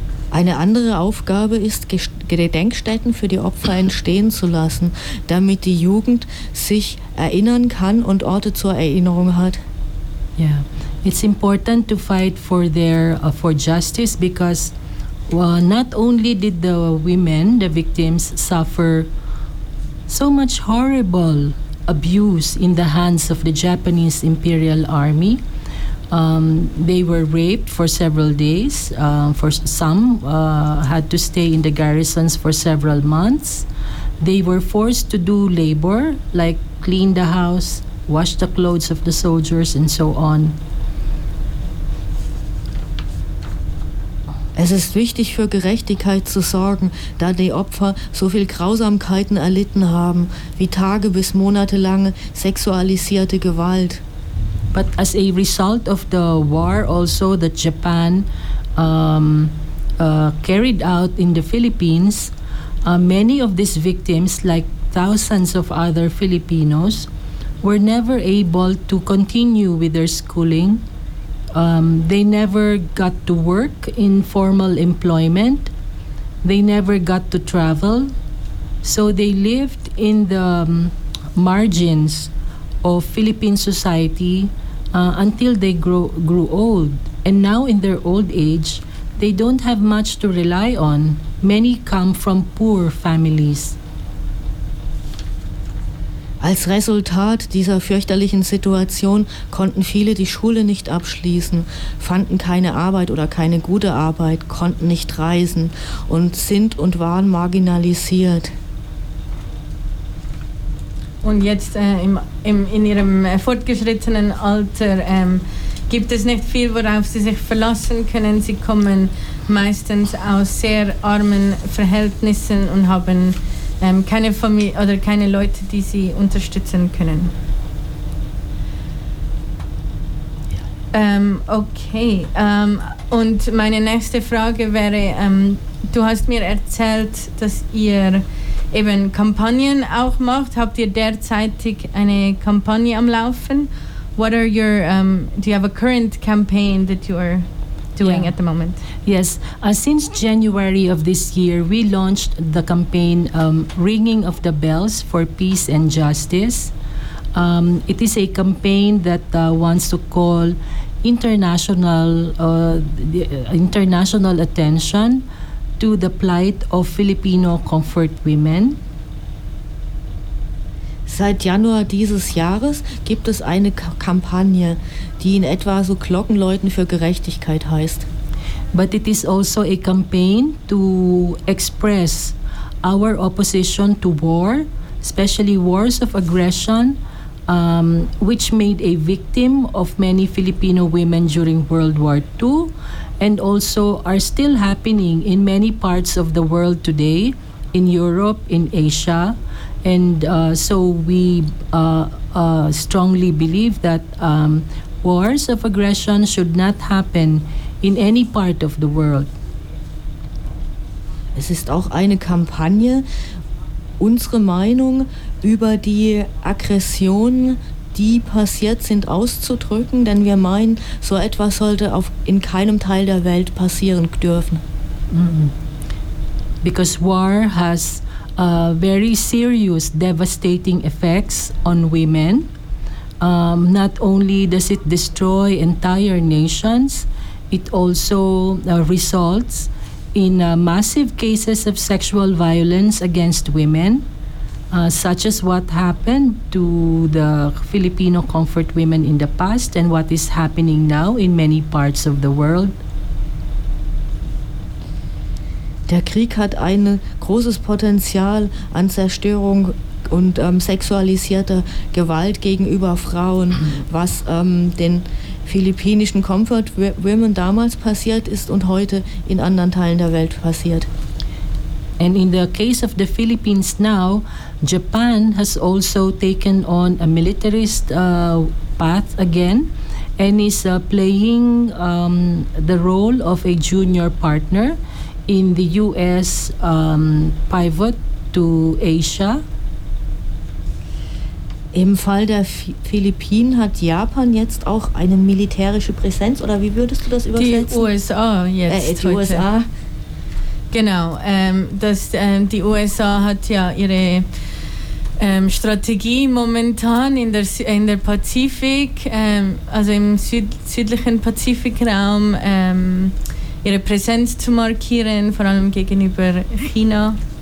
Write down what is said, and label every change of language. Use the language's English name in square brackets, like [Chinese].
[German] Eine andere Aufgabe ist, Gedenkstätten für die Opfer entstehen zu lassen, damit die Jugend sich erinnern kann und Orte zur Erinnerung hat. [English] Yeah, it's important to fight for their for justice because not only did the women, the victims, suffer so much horrible abuse in the hands of the Japanese Imperial Army. They were raped for several days. For some had to stay in the garrisons for several months. They were forced to do labor, like clean the house, wash the clothes of the soldiers, and so on. [German] Es ist wichtig, für Gerechtigkeit zu sorgen, da die Opfer so viel Grausamkeiten erlitten haben, wie Tage bis Monate lange sexualisierte Gewalt. [English] But as a result of the war also that Japan carried out in the Philippines, many of these victims, like thousands of other Filipinos, were never able to continue with their schooling. They never got to work in formal employment. They never got to travel. So they lived in the margins of Philippine society until they grew old. And now in their old age, they don't have much to rely on. Many come from poor families. [German] Als Resultat dieser fürchterlichen Situation konnten viele die Schule nicht abschließen, fanden keine Arbeit oder keine gute Arbeit, konnten nicht reisen und sind und waren marginalisiert. Und jetzt in ihrem fortgeschrittenen Alter gibt es nicht viel, worauf sie sich verlassen können. Sie kommen meistens aus sehr armen Verhältnissen und haben keine Familie oder keine Leute, die sie unterstützen können. Okay, und meine nächste Frage wäre, du hast mir erzählt, dass ihr eben Kampagnen auch macht. Habt ihr derzeitig eine Kampagne am Laufen? [English] What are your, do you have a current campaign that you are doing at the moment? Yes, since January of this year, we launched the campaign Ringing of the Bells for Peace and Justice. It is a campaign that wants to call international attention to the plight of Filipino comfort women. [German] Seit Januar dieses Jahres gibt es eine Kampagne, die in etwa so Glockenläuten für Gerechtigkeit heißt. [English] But it is also a campaign to express our opposition to war, especially wars of aggression, which made a victim of many Filipino women during World War II, and also are still happening in many parts of the world today, in Europe, in Asia. And so we strongly believe that wars of aggression should not happen in any part of the world. [German] Es ist auch eine Kampagne, unsere Meinung über die Aggressionen, die passiert sind, auszudrücken, denn wir meinen, so etwas sollte in keinem Teil der Welt passieren dürfen. Mm-hmm. [English] Because war has very serious, devastating effects on women. Not only does it destroy entire nations, it also results in massive cases of sexual violence against women, such as what happened to the Filipino comfort women in the past and what is happening now in many parts of the world. [German] Der Krieg hat ein großes Potenzial an Zerstörung und sexualisierter Gewalt gegenüber Frauen, was den philippinischen Comfort Women damals passiert ist und heute in anderen Teilen der Welt passiert. [English] And in the case of the Philippines now, Japan has also taken on a militarist path again and is playing the role of a junior partner in the U.S. Pivot to Asia. [German] Im Fall der Philippinen hat Japan jetzt auch eine militärische Präsenz, oder wie würdest du das übersetzen? Die USA jetzt die heute. USA. Genau, die USA hat ja ihre Strategie momentan in der Pazifik, also im südlichen Pazifikraum, ihre Präsenz zu markieren, vor allem gegenüber China.